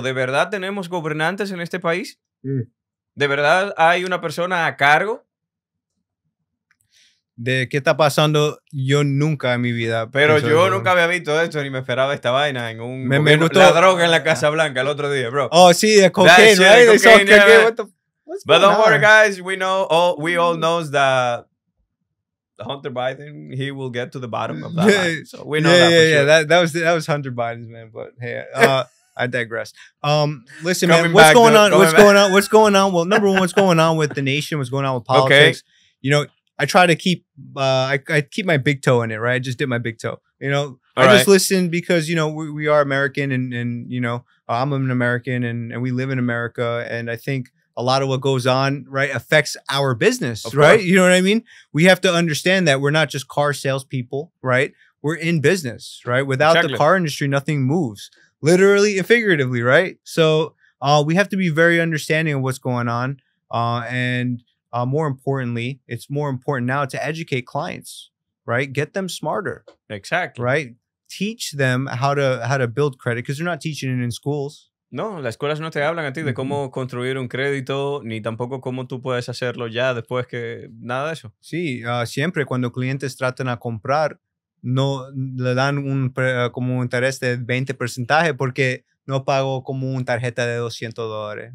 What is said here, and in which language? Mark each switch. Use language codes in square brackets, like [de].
[es] ¿De verdad tenemos gobernantes en este país? ¿De verdad hay una persona a cargo? ¿De qué está pasando? Yo nunca en mi vida. Pero yo nunca había visto esto ni me esperaba esta vaina en un... La droga en la Casa Blanca el otro día, bro. [en] Oh, [es] sí, de [en] cocaine, right? But don't worry, guys. We all know that Hunter Biden, he will get to the bottom of that. That was Hunter Biden's, man. But hey, I digress. What's going on? Well, number one, what's going on with the nation? What's going on with politics? Okay. You know, I try to keep I keep my big toe in it, right? I just dip my big toe. You know, just listen because, you know, we are American and you know, I'm an American and we live in America. And I think a lot of what goes on, right, affects our business, of course. You know what I mean? We have to understand that we're not just car salespeople, right? we're in business, right? Without the car industry, nothing moves, literally and figuratively, right? So we have to be very understanding of what's going on. And more importantly, it's more important now to educate clients, right? Get them smarter. Exactly. Right? Teach them how to build credit, because they're not teaching it in schools. [es] No, las escuelas no te hablan a ti de cómo construir un crédito, ni tampoco cómo tú puedes hacerlo ya después que nada de eso. Sí, siempre cuando clientes tratan a comprar, no le dan como un interés de 20% porque no pago como una tarjeta de $200.